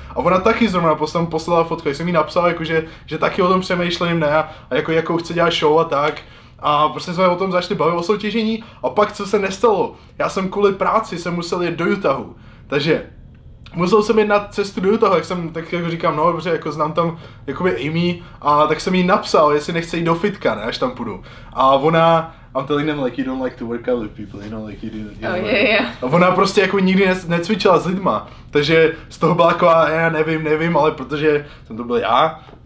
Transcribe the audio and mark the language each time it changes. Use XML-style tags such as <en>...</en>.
<cs>A ona taky zrovna potom poslala fotku, jsem jí napsal, jakože, že taky o tom přemýšlím, ne, a jako jakou chce dělat show a tak. A prostě jsme o tom začali bavit o soutěžení a pak co se nestalo, já jsem kvůli práci jsem musel jet do Utahu, takže musel jsem jít na cestu do Utahu, tak jako říkám, no dobře, jako znám tam jakoby Amy a tak jsem jí napsal, jestli nechce jít do fitka, ne, až tam půjdu. A ona,</cs> <en>I'm telling them like you don't like to work out with people, you know, like you do, you know, oh, yeah.</en> <cs>A ona prostě jako nikdy necvičila s lidma, takže z toho byla jako, já nevím, ale protože jsem to byl já.</cs>